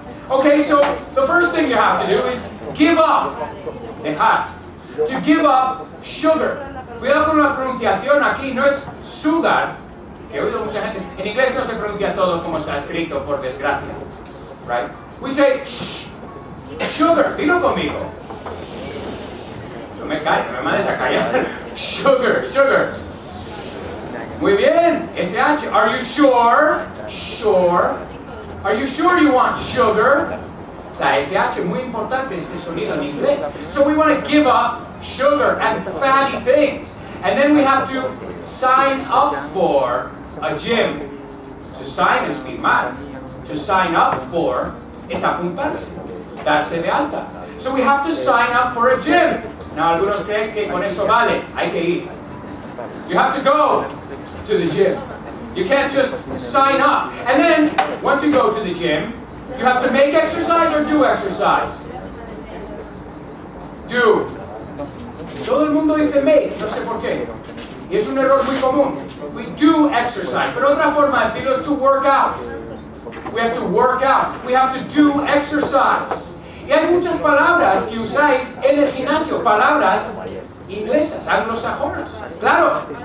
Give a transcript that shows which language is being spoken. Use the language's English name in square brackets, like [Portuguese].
[English] Okay, so the first thing you have to do is give up. [Spanish] Dejar. [English] To give up sugar. [Spanish] Cuidado con la pronunciación aquí, no es sugar, que he oído mucha gente. En inglés no se pronuncia todo como está escrito, por desgracia. [English] Right? We say shh, sugar, [Spanish] dilo conmigo. No me calles, no me mandes a callar. [English] Sugar, sugar. [Spanish] Muy bien, [English] SH. Are you sure? Sure. Are you sure you want sugar? [Spanish] La SH, muy importante este sonido en inglés. [English] So we want to give up sugar and fatty things. And then we have to sign up for a gym. To sign is firmar. To sign up for es apuntarse. [Spanish] Darse de alta. [English] So we have to sign up for a gym. Now [Spanish] algunos creen que con eso vale. Hay que ir. [English] You have to go to the gym. You can't just sign up. And then, once you go to the gym, you have to make exercise or do exercise? Do. [Spanish] Todo el mundo dice make, no sé por qué. Y es un error muy común. [English] We do exercise. [Spanish] Pero otra forma de decirlo es to work out. [English] We have to work out. We have to do exercise. [Spanish] Y hay muchas palabras que usáis en el gimnasio. Palabras inglesas, anglosajonas. Claro.